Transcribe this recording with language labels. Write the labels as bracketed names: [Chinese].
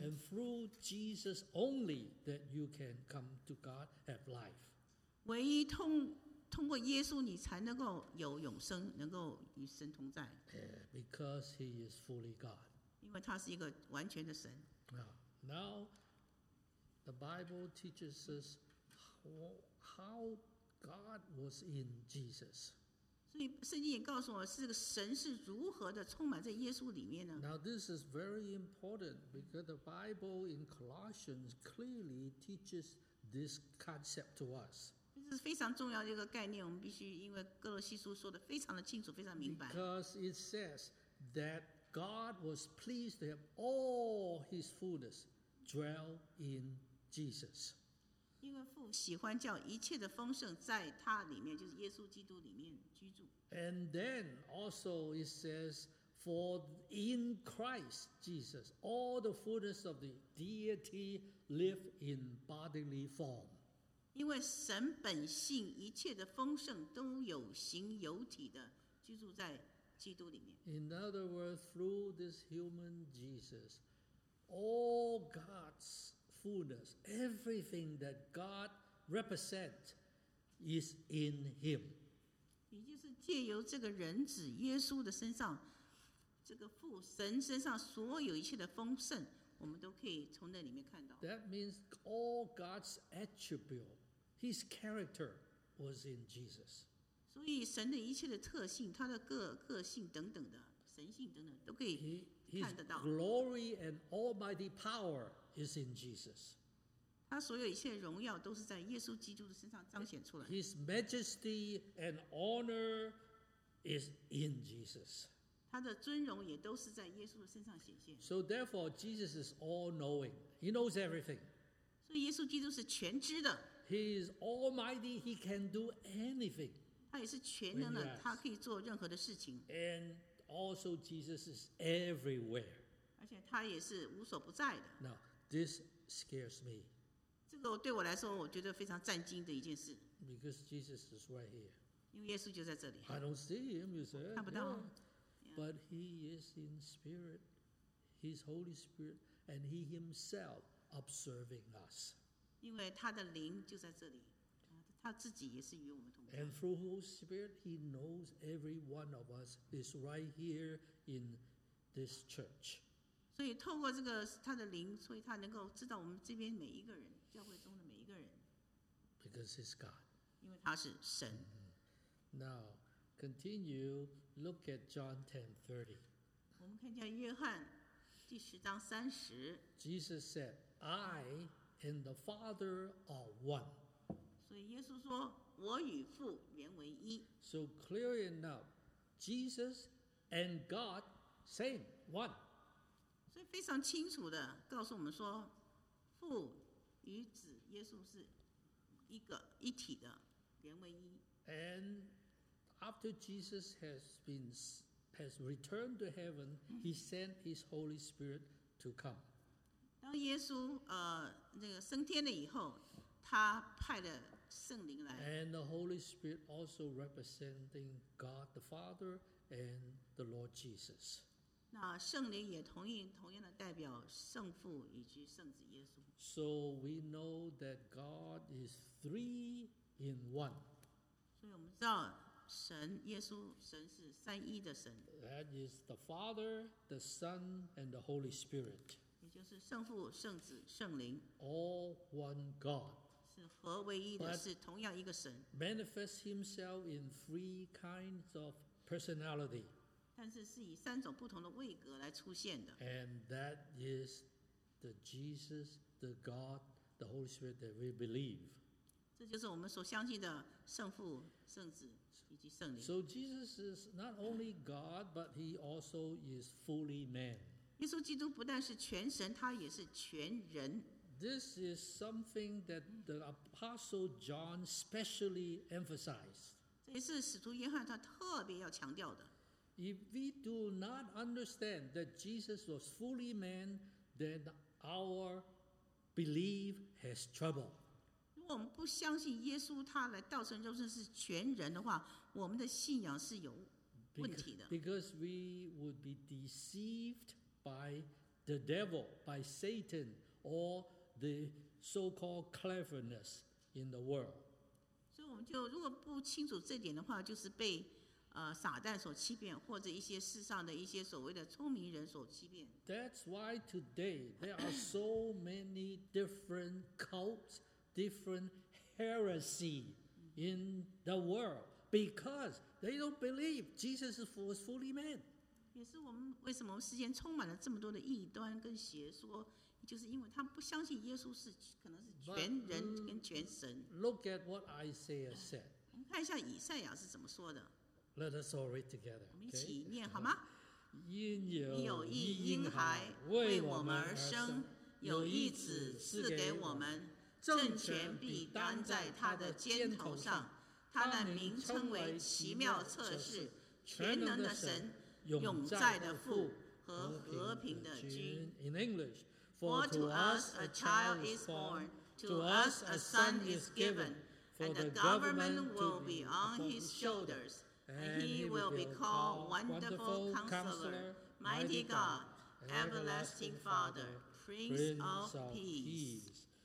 [English] And through Jesus only that you can come to God have life. [Chinese] 唯一通过耶稣你才能够有永生能够与神同在。 [English] Because he is fully God. [Chinese] 因为他是一个完全的神。 [English] Now, the Bible teaches us how God was in Jesus. [Chinese] 所以圣经也告诉我是这个神是如何的充满在耶稣里面呢 [English] Now, this is very important because the Bible in Colossians clearly teaches this concept to us. [Chinese] 这是非常重要的一个概念，我们必须因为哥罗西书说的非常的清楚，非常明白。 [English] Because it says that. God was pleased to have all his fullness dwell in Jesus. [Chinese] 因为父喜欢叫一切的丰盛在他里面，就是耶稣基督里面居住。 [English] And then also it says, for in Christ Jesus, all the fullness of the deity live in bodily form. [Chinese] 因为神本性一切的丰盛都有形有体的居住在基督里面。 [English] In other words, through this human Jesus, all God's fullness, everything that God represents is in him. [Chinese] 也就是借由这个人子耶稣的身上，这个父神身上所有一切的丰盛，我们都可以从那里面看到。 [English] That means all God's attribute, his character was in Jesus. [Chinese] 所以神的一切的特性，他的 个性等等的神性等等都可以看得到。 [English] His glory and almighty power is in Jesus. [Chinese] 他所有一切荣耀都是在耶稣基督的身上彰显出来。 [English] His majesty and honor is in Jesus. [Chinese] 他的尊荣也都是在耶稣身上显现。 [English] So therefore, Jesus is all-knowing. He knows everything. [Chinese] 所以耶稣基督是全知的。 [English] He is almighty. He can do anything. [Chinese] 他也是全能的，他可以做任何的事情。 [English] And also, Jesus is everywhere. [Chinese] 而且他也是无所不在的。 [English] Now, this scares me. [Chinese] 这个对我来说，我觉得非常震惊的一件事。 [English] Because Jesus is right here. [Chinese] 因为耶稣就在这里。 [English] I don't see him, you said. [Chinese] 看不到。 [English] But he is in spirit, his Holy Spirit, and he himself observing us. And through Holy Spirit, he knows every one of us is right here in this church. [Chinese] So, 透过这个他的灵，所以他能够知道我们这边每一个人，教会中的每一个人。 [English] Because he's God. [Chinese] 因为他是神。 [English] Now. Continue, look at John 10:30. [Chinese] 我们看一下约翰第十章三十。 [English] Jesus said, I and the Father are one. [Chinese] 所以耶稣说，我与父原为一。 [English] So clear enough, Jesus and God, same, one. [Chinese] 所以非常清楚的告诉我们说，父与子耶稣是一个一体的，原为一。 [English] AndAfter Jesus has returned to heaven, he sent his Holy Spirit to come. [Chinese] 当耶稣升天了以后，他派了圣灵来。 [English] And the Holy Spirit also representing God the Father and the Lord Jesus. [Chinese] 那圣灵也同样的代表圣父以及圣子耶稣。 [English] So we know that God is three in one. [Chinese] 所以我们知道。神耶稣神是三一的神。 [English] That is the Father, the Son, and the Holy Spirit. [Chinese] 也就是圣父、圣子、圣灵。 [English] All one God. [Chinese] 是合为一的，是同样一个神。 [English] Manifests himself in three kinds of personality. [Chinese] 但是是以三种不同的位格来出现的。 [English] And that is the Jesus, the God, the Holy Spirit that we believe. [Chinese] 这就是我们所相信的圣父、圣子以及圣灵。 [English] So Jesus is not only God, but he also is fully man. [Chinese] 耶稣基督不但是全神，他也是全人。 [English] This is something that the Apostle John specially emphasized. [Chinese] 这也是使徒约翰他特别要强调的。 [English] If we do not understand that Jesus was fully man, then our belief has trouble. [Chinese] 如果我们不相信耶稣他来道成肉身是全人的话，我们的信仰是有问题的。 [English] Because we would be deceived by the devil, by Satan, or the so-called cleverness in the world. [Chinese] 所以我们就如果不清楚这点的话，就是被撒旦所欺骗，或者一些世上的一些所谓的聪明人所欺骗。 [English] That's why today there are so many different cults. Different heresy in the world because they don't believe Jesus was fully man. [Chinese] 也是我们为什么世间充满了这么多的异端跟邪说，就是因为他不相信耶稣是可能是全人跟全神。 [English] Look at what Isaiah said. [Chinese] 我们看一下以赛亚是怎么说的。 [English] Let us all read together. [Chinese] 我们一起念好吗？因有一婴孩为我们而生，有一子赐给我们。政权必担在他的肩头上，他的名称为奇妙测试，全能的神，永在的父和和平的君。 [English] In English, for to us a child is born, To us a son is given, and the government will be on his shoulders, and he will be called Wonderful Counselor, Mighty God, Everlasting Father, Prince of Peace.